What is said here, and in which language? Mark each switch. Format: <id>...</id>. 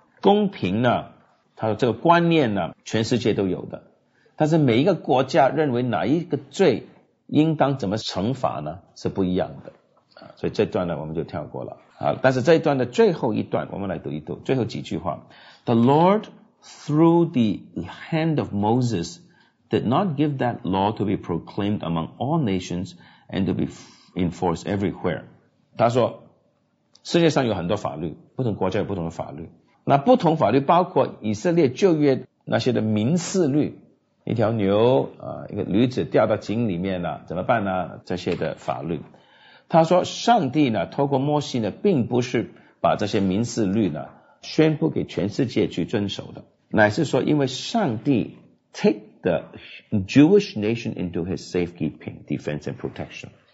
<zh>公平呢，他说这个观念呢，全世界都有的，但是每一个国家认为哪一个罪应当怎么惩罚呢，是不一样的。所以这段呢，我们就跳过了。好，但是这一段的最后一段，我们来读一读，最后几句话。</zh> <en>The Lord, through the hand of Moses, did not give that law to be proclaimed among all nations and to be enforced everywhere.</en> <zh>他说，世界上有很多法律，不同国家有不同的法律。那不同法律包括以色列旧约那些的民事律，一条牛啊，一个驴子掉到井里面了，怎么办呢？这些的法律。他说，上帝呢，透过摩西呢，并不是把这些民事律呢，宣布给全世界去遵守的，乃是说，因为上帝</zh> <en>take the Jewish nation into his safekeeping, defense and protection.</en>